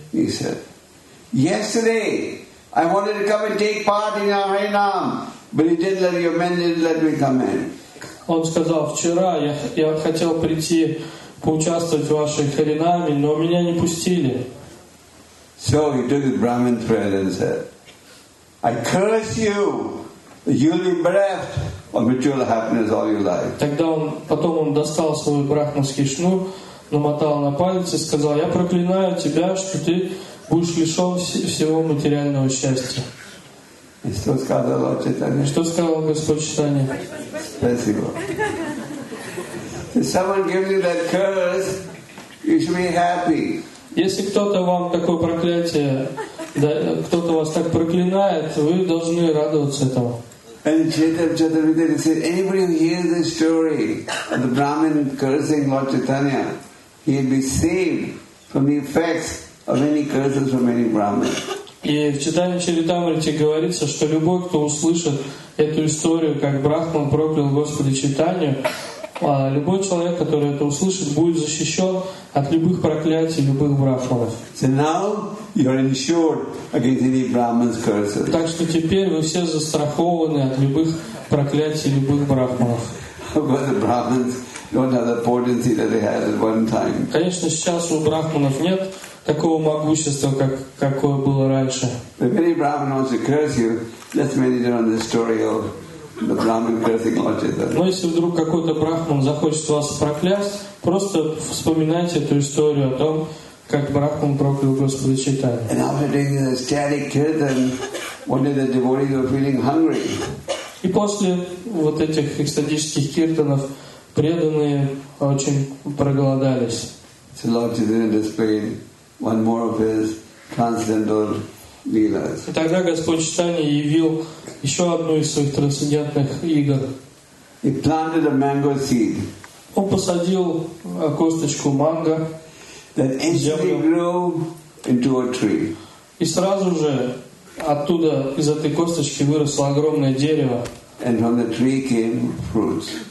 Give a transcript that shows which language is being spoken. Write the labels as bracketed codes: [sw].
[en] He said, "Yesterday I wanted to come and take part in your Harinam, but you didn't let your men didn't let me come in." [ru] Он сказал, вчера я хотел прийти поучаствовать в вашей харинаме, но меня не пустили. [en] So he took his Brahmin thread and said, I curse you, you'll be bereft of material happiness all your life. [ru] Тогда он, потом он достал свой брахманский шнур, намотал на палец и сказал, я проклинаю тебя, что ты будешь лишен всего материального счастья. И что сказал Лорд Читания? Что сказал Господь Читания? Спасибо. [en] If someone gives you that curse, you should be happy. [ru] Если кто-то вам такое проклятие, кто-то вас так проклинает, вы должны радоваться этому. [en] And Chaitanya Chaturvedi said, anybody who hears this story of the Brahmin cursing Lord Chaitanya, he'll be saved from the effects of any curses from any Brahmin. [ru] И в читании Чаритамрити говорится, что любой, кто услышит эту историю, как Брахман проклял Господа Чайтанью, любой человек, который это услышит, будет защищен от любых проклятий любых брахманов. [en] So now you are insured against any Brahman's curses. [ru] Так что теперь вы все застрахованы от любых проклятий любых брахманов. [en] But the Brahmans don't have the potency that they had at one time. [ru] Конечно, сейчас у брахманов нет такого могущества, как какое было раньше. [en] If any Brahman wants to curse you, let's meditate on the story of the Brahman cursing Lord Chaitanya. [ru] Но если вдруг какой-то брахман захочет вас проклясть, просто вспоминайте эту историю о том, как брахман проклял Господа Чайтанью. [en] And after doing the ecstatic kirtan, one day the devotees were feeling hungry. [ru] И после вот этих экстатических киртанов преданные очень проголодались. [en] So Lord Chaitanya displayed one more of his transcendental leelas. [ru] И тогда Господь Чайтанья явил еще одну из своих трансцендентных игр. [en] He planted a mango seed. [ru] Он посадил косточку манго. [en] That instantly grew into a tree. [ru] И сразу же оттуда из этой косточки выросло огромное дерево. [en] And from the tree came fruits.